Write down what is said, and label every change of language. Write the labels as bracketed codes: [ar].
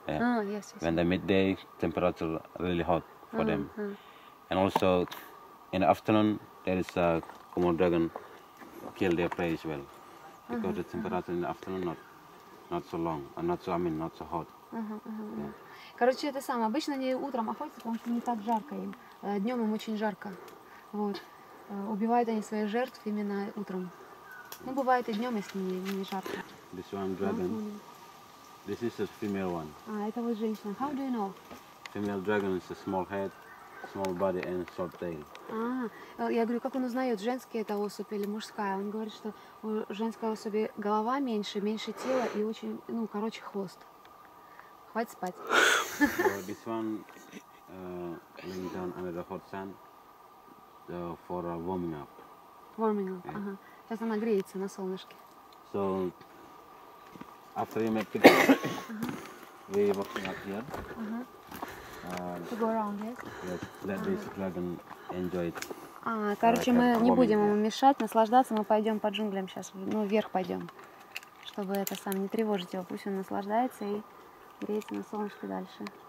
[en] Yeah. Yes. When the midday temperature really hot for them, and also in the afternoon there is a Komodo dragon kill their prey as well, because the temperature in the afternoon not so long and not so hot. [ru] Yeah. Короче, это самое. Обычно они утром охотятся, потому что не так жарко им. Днем им очень жарко. Вот убивают они своих жертв именно утром. Ну, бывает и днем, если не жарко. [en] This one dragon. This is a female one. [ru] А, это вот женщина. [en] How do you know? Female dragon is a small head, small body and short tail. [ru] Я говорю, как он узнает, женский это особь или мужская? Он говорит, что у женской особи голова меньше, меньше тела и очень, ну, короче, хвост. Хватит спать. [en] This one laying down under the hot sun for a warming up. Warming up, [ru] Сейчас она греется на солнышке. [en] So, after you make it, we walking up here. To go around, yes? Yes, let this dragon enjoy it. [ru] Короче, мы не будем ему мешать, наслаждаться, мы пойдем по джунглям сейчас, ну, вверх пойдем, чтобы это сам не тревожить его, пусть он наслаждается и греется на солнышке дальше.